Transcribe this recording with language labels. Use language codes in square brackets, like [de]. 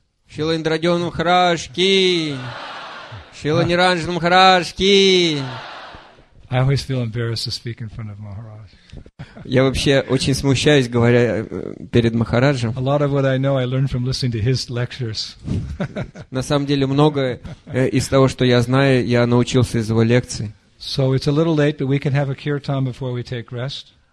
[ru] Шрила Индрадьон Махарадж Ки. Шрила Ниранджан Махарадж Ки. [en] I always feel embarrassed to speak in front of Maharaj. [ru] Я вообще очень смущаюсь, говоря перед Махараджем. [en] A lot of what I know I learned from listening to his lectures. [ru] На самом деле, многое из того, что я знаю, я научился из его лекций. [en] So it's a little late, but we can have a kirtan before we take rest.